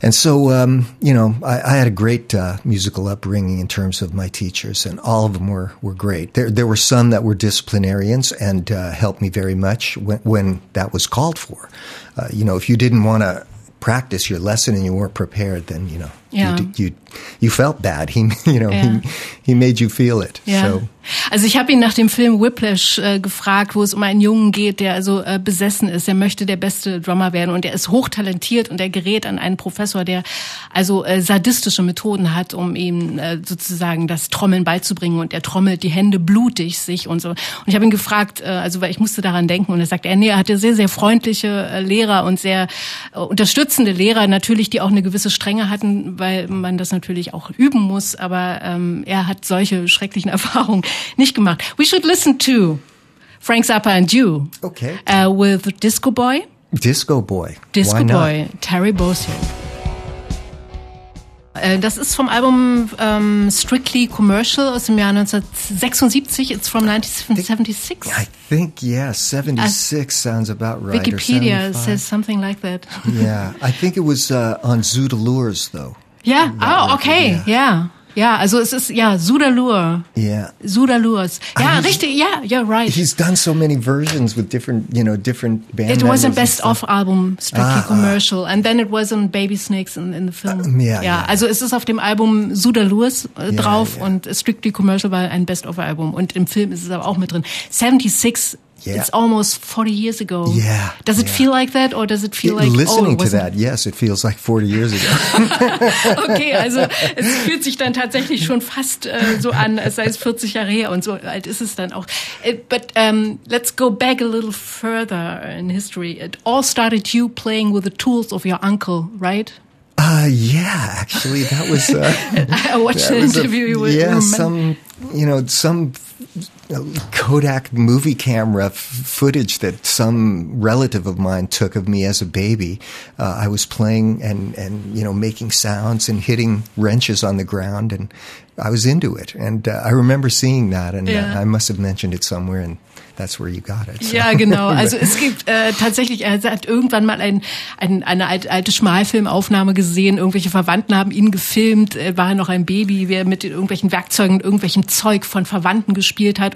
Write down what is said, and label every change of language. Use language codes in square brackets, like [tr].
[en] And so, I had a great musical upbringing in terms of my teachers, and all of them were great. There were some that were disciplinarians and helped me very much when that was called for. If you didn't want to practice your lesson and you weren't prepared, then, You felt bad. He made you feel it. Yeah. So. [de] Also ich habe ihn nach dem Film Whiplash gefragt, wo es um einen Jungen geht, der also besessen ist. Er möchte der beste Drummer werden und er ist hochtalentiert und er gerät an einen Professor, der also sadistische Methoden hat, um ihm sozusagen das Trommeln beizubringen. Und er trommelt die Hände blutig sich und so. Und ich habe ihn gefragt, also weil ich musste daran denken und er sagt, er hatte sehr, sehr freundliche Lehrer und sehr unterstützende Lehrer natürlich, die auch eine gewisse Strenge hatten, weil man das natürlich auch üben muss. Aber er hat solche schrecklichen Erfahrungen nicht gemacht. [en] We should listen to Frank Zappa and you. Okay. With Disco Boy. Disco Boy. Disco Why Boy. Not? Terry Bozzio. [de] Das ist vom Album Strictly Commercial aus dem Jahr 1976. [en] It's from 1976. I think, yeah, 76 sounds about right. Wikipedia says something like that. Yeah, I think it was on Zoot Allures, though. Yeah. Oh, okay. Yeah. [de] Ja, also es ist, ja, Sudalur. [en] Yeah. Sudalurs. Ja, he's, [de] richtig, ja, [en] yeah, you're right. He's done so many versions with different, you know, different band It was a best-of album, Strictly Commercial. And then it was on Baby Snakes in the film. [de] Also es ist auf dem Album Sudalurs drauf und Strictly Commercial war ein Best-of-Album. Und im Film ist es aber auch mit drin. [en] 76, it's almost 40 years ago. Yeah. Does it feel like that or does it feel like... Listening to that, yes, it feels like 40 years ago. [de] Okay, also es fühlt sich dann tatsächlich schon fast so an, es sei es 40 Jahre her und so alt ist es dann auch. [en] But let's go back a little further in history. It all started you playing with the tools of your uncle, right? Actually, that was... I watched an interview with... Yeah, some Kodak movie camera footage that some relative of mine took of me as a baby. I was playing and you know, making sounds and hitting wrenches on the ground, and I was into it. And I remember seeing that, and I must have mentioned it somewhere, and that's where you got it. So. [de] Ja, genau. Also es gibt tatsächlich, er hat irgendwann mal eine alte Schmalfilmaufnahme gesehen. Irgendwelche Verwandten haben ihn gefilmt. Er war noch ein Baby, wie er mit irgendwelchen Werkzeugen und irgendwelchem Zeug von Verwandten gespielt hat.